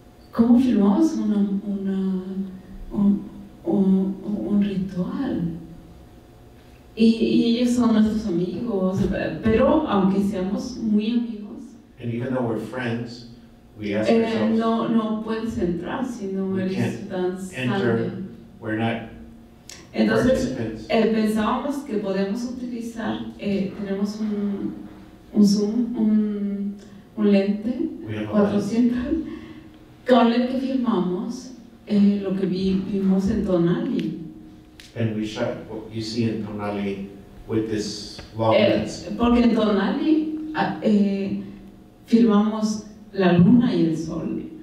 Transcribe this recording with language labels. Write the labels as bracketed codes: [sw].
[es] ¿Cómo filmamos un ritual? Y ellos son nuestros amigos, pero aunque seamos muy amigos. [en] And even though we're friends, we ask ourselves. [es] No puedes entrar si no eres tan sangre. [en] We're not. [es] Entonces pensábamos que podemos utilizar, tenemos un zoom, un lente 400. Con el que filmamos lo que vimos en Tonali. [en] And we shot what you see in Tonali with this long lens. [es] Porque en Tonali filmamos la luna y el sol.